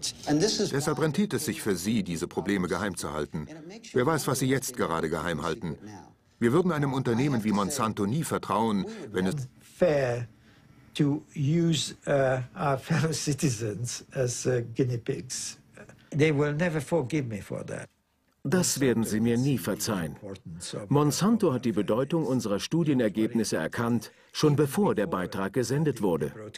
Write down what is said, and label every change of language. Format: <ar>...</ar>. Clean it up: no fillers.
<de>Deshalb rentiert es sich für sie, diese Probleme geheim zu halten. Wer weiß, was sie jetzt gerade geheim halten. Wir würden einem Unternehmen wie Monsanto nie vertrauen, wenn es</de> <en>fair to use our fellow citizens as guinea pigs. They will never forgive me for that.</en> <de>Das werden Sie mir nie verzeihen. Monsanto hat die Bedeutung unserer Studienergebnisse erkannt, schon bevor der Beitrag gesendet wurde.</de>